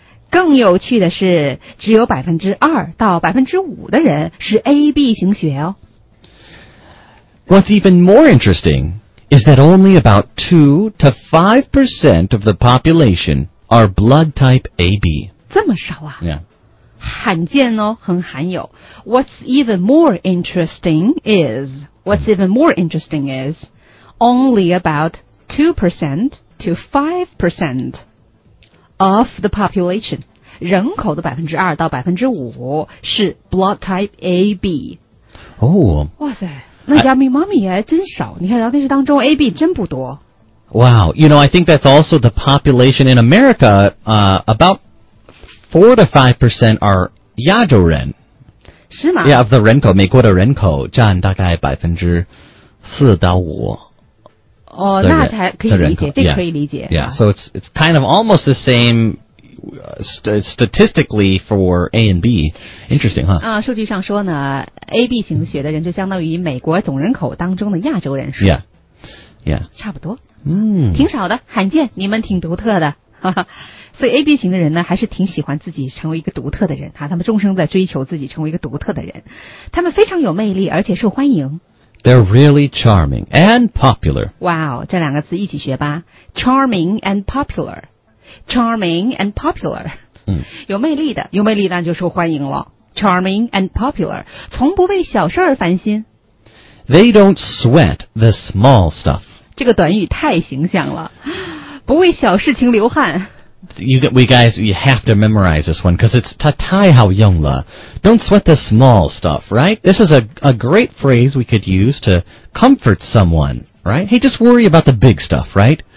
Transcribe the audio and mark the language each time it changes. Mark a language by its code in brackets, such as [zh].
[zh] 更有趣的是只有 2% 到 5% 的人是 AB 型血哦。 [en] What's even more interesting is that only about 2 to 5% of the population are blood type AB. [zh] 这么少啊。 [en] Yeah. [zh] 罕见哦很罕有 [en] What's even more interesting is What's even more interesting is Only about 2% to 5% Of the population [zh] 人口的 2% 到 5% 是 [en] blood type AB 哦、oh, [zh] 哇塞那家 me mommy 还真少你看聊天室当中 AB 真不多 [en] Wow you know I think that's also the population in America、about 4 to 5% are [zh] 亚洲人，是吗？ [en] Yeah, of the [zh] 人口，美国的人口占大概4%-5%。哦，那才可以理解，这可以理解。 [en] Yeah, so it's kind of almost the same statistically for A and B. Interesting, huh? [zh] 啊，数据上说呢 ，A B 型血的人就相当于美国总人口当中的亚洲人数。 [en] Yeah, [zh] 差不多。嗯，挺少的，罕见，你们挺独特的。所以 AB 型的人呢还是挺喜欢自己成为一个独特的人、啊、他们终生在追求自己成为一个独特的人他们非常有魅力而且受欢迎 [en] They're really charming and popular Wow, [zh] 这两个字一起学吧 [en] Charming and popular Charming and popular、嗯、 [zh] 有魅力的有魅力那就受欢迎了 [en] Charming and popular [zh] 从不为小事而烦心 [en] They don't sweat the small stuff [zh] 这个短语太形象了不为小事情流汗 [en] You have to memorize this one because it's [zh] 它太好用了 [en] Don't sweat the small stuff, right? This is a great phrase we could use to comfort someone, right? Hey, just worry about the big stuff, right?